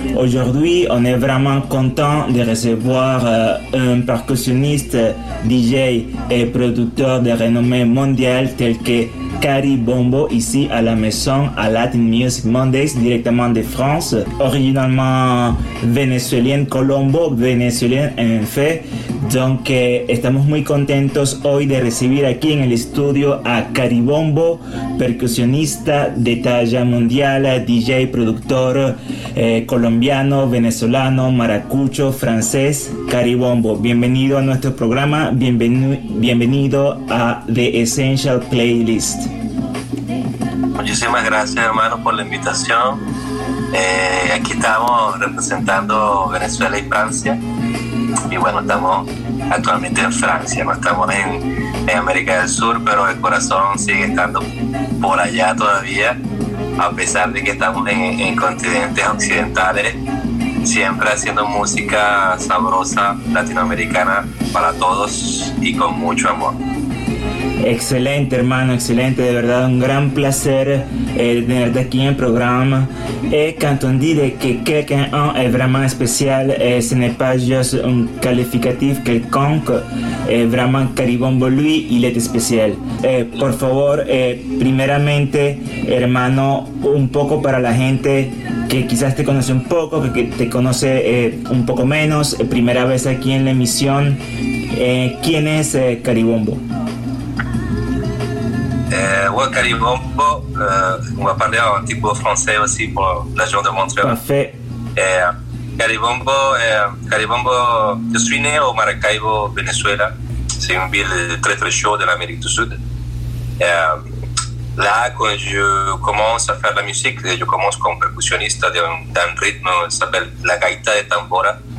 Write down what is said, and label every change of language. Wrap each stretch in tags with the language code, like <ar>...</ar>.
<fr>Aujourd'hui, on est vraiment content de recevoir un percussionniste, DJ et producteur de renommée mondiale tel que Carrie Bombo ici à la maison à Latin Music Mondays directement de France, originalement vénézuélienne, colombo-vénézuélienne en fait. Donc,</fr> <es>estamos muy contentos hoy de recibir aquí en el estudio a Carrie Bombo, percusionista de talla mundial, DJ, productor colombiano, venezolano, maracucho, francés. Carrie Bombo, bienvenido a nuestro programa, bienvenido a The Essential Playlist. Muchísimas gracias, hermano, por la invitación. Aquí estamos representando Venezuela y Francia. Y bueno, estamos actualmente en Francia, no estamos en América del Sur, pero el corazón sigue estando por allá todavía, a pesar de que estamos en continentes occidentales, siempre haciendo música sabrosa latinoamericana para todos y con mucho amor. Excelente, hermano, excelente. De verdad, un gran placer tenerte aquí en el programa.</es> <fr>Quand on dit que quelqu'un es vraiment especial, ce n'est pas juste un calificatif quelconque. Vraiment, caribombo lui, il est spécial.</fr> <es>Por favor, primeramente, hermano, un poco para la gente que quizás te conoce un poco, que te conoce un poco menos, primera vez aquí en la emisión. ¿Quién es Caribombo?</es> <fr>Caribombo, on va parler un petit peu français aussi pour la région de Montréal. Parfait. Caribombo, je suis né au Maracaibo, Venezuela. C'est une ville très très chaude de l'Amérique du Sud. Là, quand je commence à faire la musique, je commence comme percussionniste d'un rythme qui s'appelle la gaita de tambora.</fr>